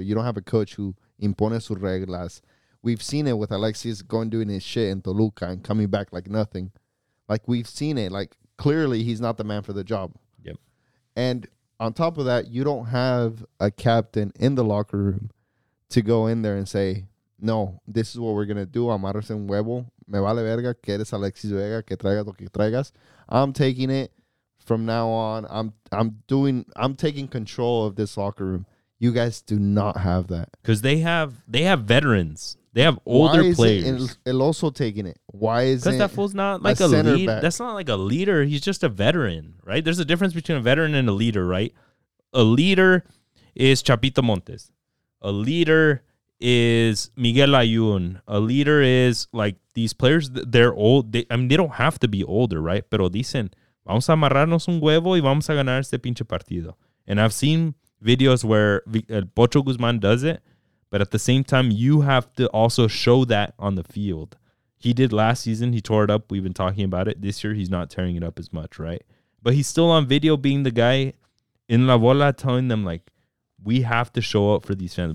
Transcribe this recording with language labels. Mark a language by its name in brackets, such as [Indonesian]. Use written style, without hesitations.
[English] You don't have a coach who impone sus reglas. We've seen it with Alexis going doing his shit in Toluca and coming back like nothing. Like, we've seen it. Like, clearly, he's not the man for the job. Yep. And on top of that, you don't have a captain in the locker room to go in there and say, no, this is what we're going to do. [Spanish] Amarras en huevo. Me vale verga que eres Alexis Vega, que traigas lo que traigas. [English] I'm taking it from now on. I'm taking control of this locker room. You guys do not have that. Because they have veterans. They have older players. Why is it also taking it? Why is it? Because that fool's not like a leader. That's not like a leader. He's just a veteran, right? There's a difference between a veteran and a leader, right? A leader is Chapito Montes. A leader is Miguel Layun. A leader is like these players, they're old. They don't have to be older, right? [Spanish] Pero dicen, vamos a amarrarnos un huevo y vamos a ganar este pinche partido. [English] And I've seen videos where El Pocho Guzmán does it, but at the same time, you have to also show that on the field. He did last season. He tore it up. We've been talking about it. This year, he's not tearing it up as much, right? But he's still on video being the guy in La Bola telling them, like, we have to show up for these fans.